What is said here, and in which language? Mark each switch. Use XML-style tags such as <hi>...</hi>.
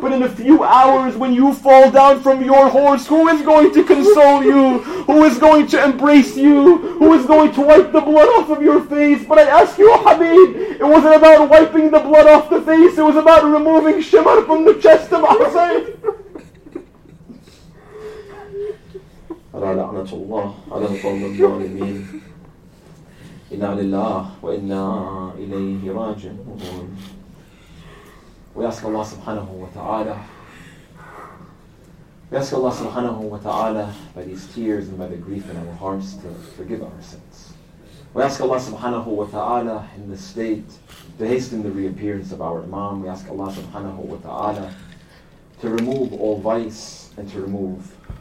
<en>But in a few hours when you fall down from your horse, who is going to console you? Who is going to embrace you? Who is going to wipe the blood off of your face?" But I ask you, Habib, it wasn't about wiping the blood off the face. It was about removing shimar from the chest of Hussein.</en> <ar>رعلى عنت الله على قوم الظالمين إنا لله وإنا إليه راجعون.</ar> <en>We ask Allah subhanahu wa ta'ala. We ask Allah subhanahu wa ta'ala by these tears and by the grief in our hearts to forgive our sins. We ask Allah subhanahu wa ta'ala in this state to hasten the reappearance of our Imam. We ask Allah subhanahu wa ta'ala to remove all vice and to remove</en>